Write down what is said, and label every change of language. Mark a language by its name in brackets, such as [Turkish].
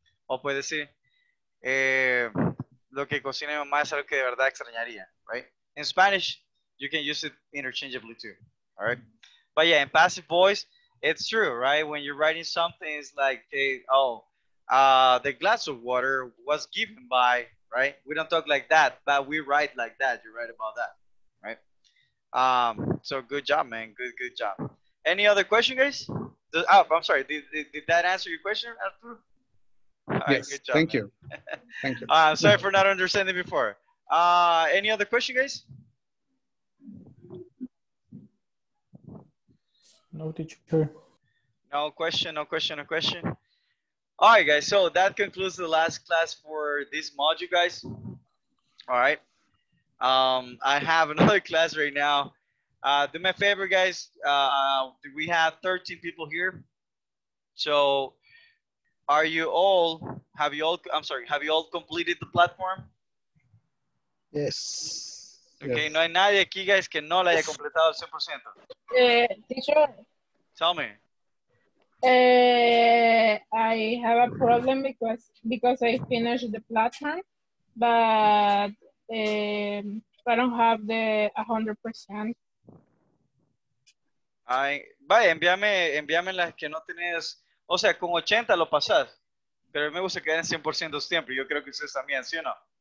[Spanish] O puede decir, lo que cocina mi mamá es algo que de verdad extrañaría, right? [English] In Spanish, you can use it interchangeably too, all right? But yeah, in passive voice, it's true, right? When you're writing something, it's like, hey, the glass of water was given by, right? We don't talk like that, but we write like that. You're right about that. So good job, man. Good job. Any other question, guys? I'm sorry. Did that answer your question, Arturo? Yes. Right, good job, thank you. I'm sorry for not understanding before. Any other question, guys? No teacher. No question, no question, no question. All right, guys, so that concludes the last class for this module, guys. All right. I have another class right now. Do me a favor, guys. We have 13 people here. So are you all, have you all completed the platform? Yes. Okay, yes. [Spanish] No hay nadie aquí, guys, que no la haya completado al 100%. [English] Teacher. Tell me. I have a problem because I finished the platform, but I don't have the 100%. [Spanish] Ay, vaya, envíame las que no tienes, o sea, con 80 lo pasas, pero me gusta quedar en 100% siempre. Yo creo que ustedes también, ¿sí o no?